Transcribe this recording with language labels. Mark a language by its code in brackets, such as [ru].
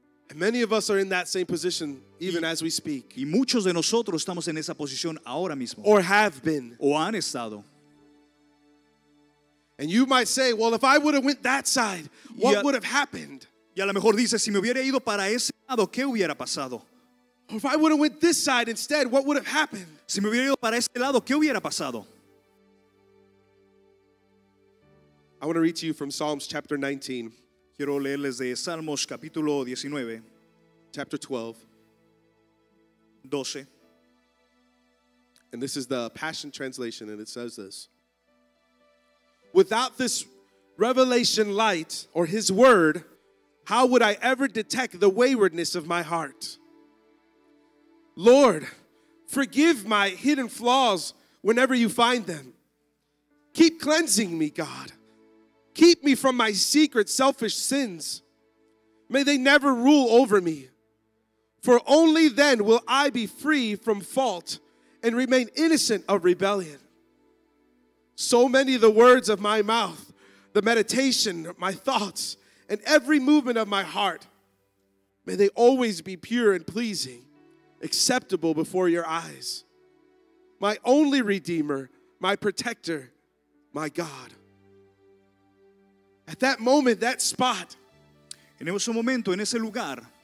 [en] And many of us are in that same position even as we speak. [es] Y muchos de nosotros estamos en esa posición ahora mismo. [en] Or have been. [es] O han estado. [en] And you might say, "Well, if I would have went that side, what would have happened?" [es] Y a lo mejor dices, si me hubiera ido para ese lado, ¿qué hubiera pasado? [en] If I would have went this side instead, what would have happened? [es] Si me hubiera ido para ese lado, ¿qué hubiera pasado? [en] I want to read to you from Psalms chapter 19. [es] Quiero leerles de Salmos capítulo 19. [en] Chapter 12. [es] 12. [en] And this is the Passion Translation, and it says this. Without this revelation light, or his word, how would I ever detect the waywardness of my heart? Lord, forgive my hidden flaws whenever you find them. Keep cleansing me, God. Keep me from my secret selfish sins. May they never rule over me. For only then will I be free from fault and remain innocent of rebellion. So many the words of my mouth, the meditation, my thoughts, and every movement of my heart, may they always be pure and pleasing. Acceptable before your eyes. My only redeemer, my protector, my God. At that moment, that spot. [es] En ese momento, en ese lugar.